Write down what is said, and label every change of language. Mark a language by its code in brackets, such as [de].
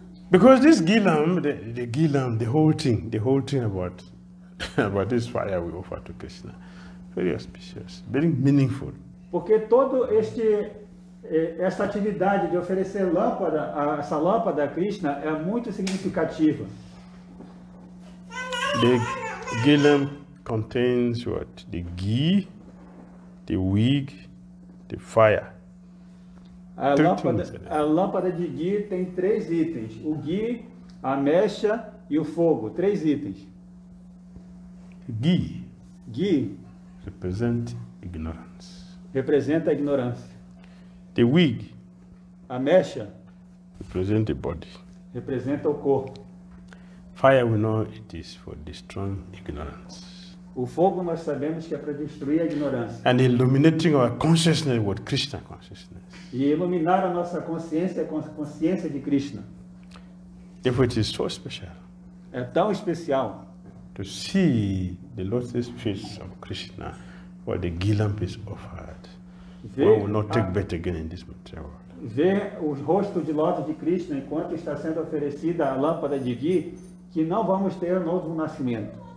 [en] Because this gilam, the gilam, the whole thing about this fire we offer to Krishna, very auspicious, very meaningful. [pt] Porque todo esta atividade de oferecer lâmpada, essa lâmpada a Krishna é muito significativa. [en] The gilam contains what? The ghee, the wig, the fire. [pt] A lâmpada de ghee tem três itens: o ghee, a mecha e o fogo. Três itens. [en] Ghee represent ignorance. [pt] Representa a ignorância. [en] The wig. [pt] A mecha. [en] Represent the body. [pt] Representa o corpo. [en] Fire, we know it is for destroying ignorance. [pt] O fogo nós sabemos que é para destruir a ignorância. [en] And illuminating our consciousness with Krishna consciousness. [pt] E iluminar a nossa consciência com a consciência de Krishna. [en] If it is so special. [pt] É tão especial. [en] To see the lotus feet of Krishna, where the ghee lamp is offered, where we will not take birth again in this material world. [pt] Ver o rosto de lótus de Krishna enquanto está sendo oferecida a lâmpada de ghee, que não vamos ter novo nascimento.